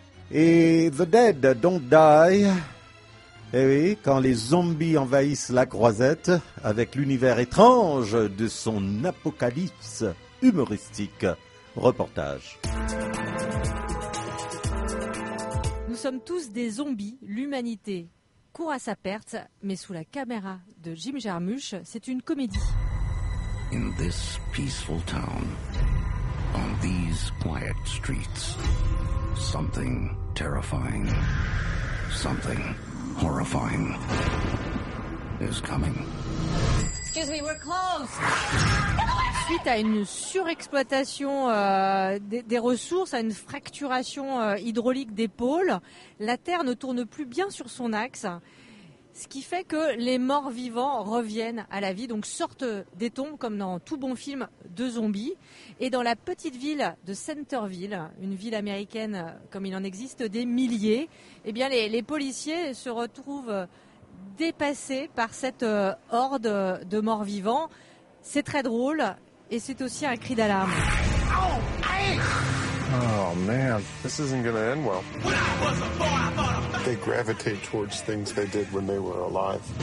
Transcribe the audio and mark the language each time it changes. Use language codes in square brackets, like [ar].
[fr] Et The Dead Don't Die. Eh oui, quand les zombies envahissent la Croisette avec l'univers étrange de son apocalypse humoristique. Reportage. Nous sommes tous des zombies. L'humanité court à sa perte, mais sous la caméra de Jim Jarmusch, c'est une comédie. [en] In this peaceful town, on these quiet streets, something terrifying, something horrifying is coming. Excuse me, we're closed. [fr] Suite à une surexploitation des ressources, à une fracturation hydraulique des pôles, la Terre ne tourne plus bien sur son axe, ce qui fait que les morts vivants reviennent à la vie, donc sortent des tombes comme dans tout bon film de zombies. Et dans la petite ville de Centerville, une ville américaine comme il en existe des milliers, eh bien les policiers se retrouvent dépassés par cette horde de morts vivants. C'est très drôle et c'est aussi un cri d'alarme. [en] Oh man, this isn't gonna end well. When I was a boy, I thought of... They gravitate towards things they did when they were alive.